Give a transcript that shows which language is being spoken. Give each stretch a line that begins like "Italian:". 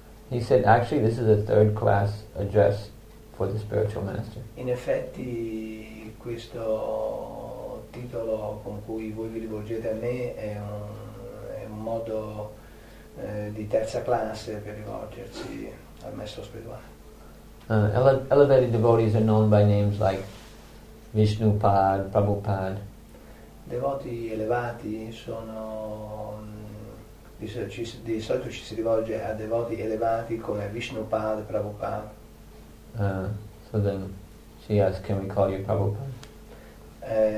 English: He said, actually, this is a third class address for the spiritual master.
Italian: In effetti, questo titolo con cui voi vi rivolgete a me è un modo di terza classe per rivolgersi al maestro spirituale.
English: Elevated devotees are known by names like Vishnupad, Prabhupad.
Italian: Devoti elevati sono di solito ci si rivolge a devoti elevati come Vishnupad, Prabhupad.
English: So then she asked, can we call you Prabhupad?